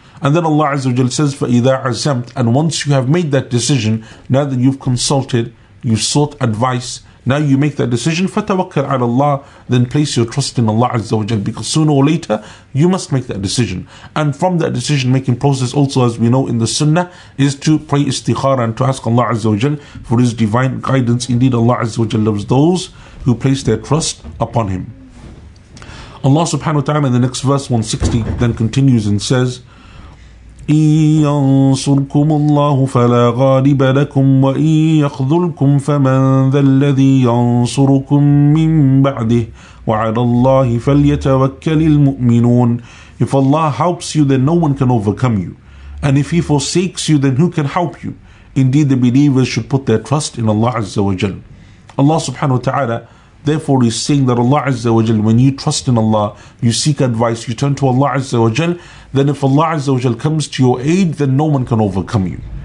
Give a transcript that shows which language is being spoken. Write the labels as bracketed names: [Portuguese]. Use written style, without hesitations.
[English] And then Allah Azza wa Jal says, [Arabic] فَإِذَا عَزَمْتَ, [English] and once you have made that decision, now that you've consulted, you've sought advice, now you make that decision, [Arabic] فَتَوَكَّلْ عَلَى اللَّهِ, [English] then place your trust in Allah Azza wa Jal, because sooner or later, you must make that decision. And from that decision-making process also, as we know in the Sunnah, is to pray istikhara and to ask Allah Azza wa Jal for His divine guidance. Indeed, Allah Azza wa Jal loves those who place their trust upon Him. Allah subhanahu wa ta'ala in the next verse 160 then continues and says, [Arabic] إن ينصركم الله فلا غالب لكم وإن يخذلكم فمن ذا الذي ينصركم من بعده وعلى الله فليتوكل المؤمنون. [English] If Allah helps you, then no one can overcome you. And if He forsakes you, then who can help you? Indeed, the believers should put their trust in Allah Azza wa Jal. Allah subhanahu wa ta'ala therefore is saying that Allah Azza wa Jal, when you trust in Allah, you seek advice, you turn to Allah Azza wa Jal, then if Allah Azza wa Jal comes to your aid, then no one can overcome you.